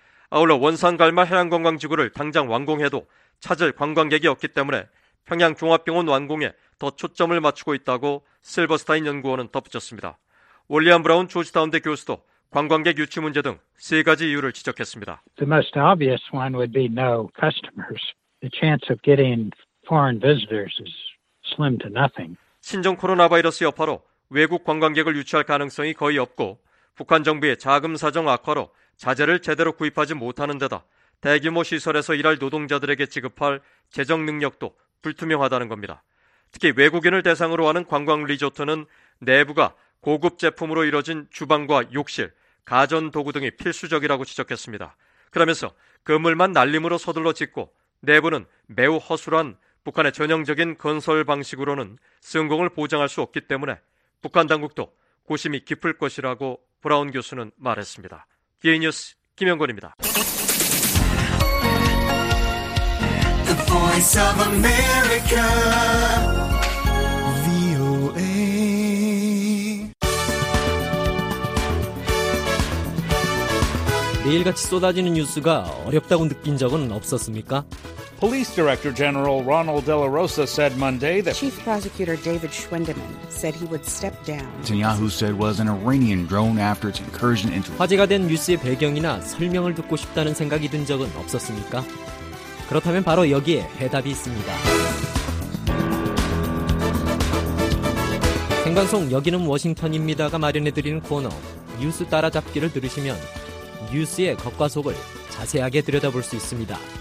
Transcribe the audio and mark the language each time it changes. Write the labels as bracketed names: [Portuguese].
[Korean] 아울러 원산갈마 해양관광지구를 당장 완공해도 찾을 관광객이 없기 때문에 평양종합병원 완공에 더 초점을 맞추고 있다고 실버스타인 연구원은 덧붙였습니다. 월리안 브라운 조지타운대 교수도 관광객 유치 문제 등 세 가지 이유를 지적했습니다. [English] The most obvious one would be no customers. The chance of getting foreign visitors is slim to nothing. [Korean] 신종 코로나 바이러스 여파로 외국 관광객을 유치할 가능성이 거의 없고 북한 정부의 자금 사정 악화로 자재를 제대로 구입하지 못하는 데다 대규모 시설에서 일할 노동자들에게 지급할 재정 능력도 불투명하다는 겁니다. 특히 외국인을 대상으로 하는 관광 리조트는 내부가 고급 제품으로 이뤄진 주방과 욕실, 가전 도구 등이 필수적이라고 지적했습니다. 그러면서 건물만 날림으로 서둘러 짓고 내부는 매우 허술한 북한의 전형적인 건설 방식으로는 성공을 보장할 수 없기 때문에 북한 당국도 고심이 깊을 것이라고 브라운 교수는 말했습니다. VOA 뉴스 김영곤입니다. The Voice of America. 매일같이 쏟아지는 뉴스가 어렵다고 느낀 적은 없었습니까? [English] Police Director General Ronald De La Rosa said Monday that Chief Prosecutor David Schwendeman said he would step down. Netanyahu said was an Iranian drone after its incursion into [Korean] 화제가 된 뉴스의 배경이나 설명을 듣고 싶다는 생각이 든 적은 없었습니까? 그렇다면 바로 여기에 해답이 있습니다. 생방송 여기는 워싱턴입니다가 마련해드리는 코너 뉴스 따라잡기를 들으시면 뉴스의 겉과 속을 자세하게 들여다볼 수 있습니다.